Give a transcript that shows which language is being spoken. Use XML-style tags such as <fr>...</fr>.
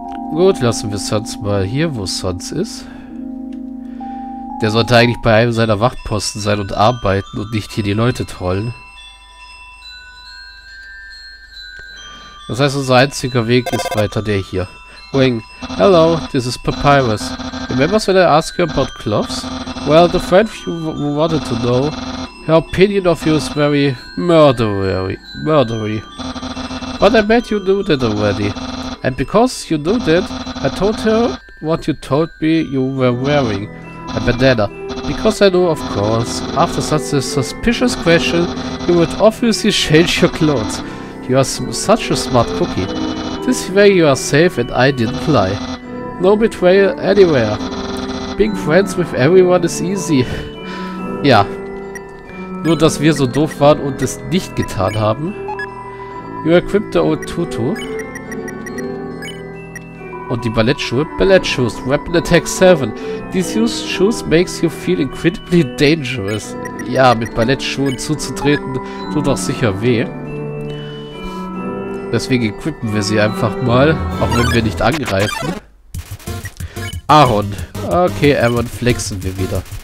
<de>Gut, lassen wir Sans mal hier, wo Sans ist. Der sollte eigentlich bei einem seiner Wachposten sein und arbeiten und nicht hier die Leute trollen. Das heißt, unser einziger Weg ist weiter der hier.</de> <en>Wing, hello, this is Papyrus. Remembers when I asked you about cloths? Well, the friend you wanted to know, her opinion of you is very murdery. But I bet you knew that already. And because you knew that, I told her what you told me you were wearing. A bandana. Because I know, of course, after such a suspicious question, you would obviously change your clothes. You are such a smart cookie. This way you are safe and I didn't lie. No betrayal anywhere. Being friends with everyone is easy. Ja.</en> <de>Nur, dass wir so doof waren und es nicht getan haben.</de> <en>You equipped the old tutu.</en> <de>Und die Ballettschuhe? Ballettschuhe, Weapon Attack 7.</de> <en>These used shoes makes you feel incredibly dangerous.</en> <de>Ja, mit Ballettschuhen zuzutreten tut auch sicher weh. Deswegen equippen wir sie einfach mal, auch wenn wir nicht angreifen. Aaron. Okay, Aaron, flexen wir wieder.</de>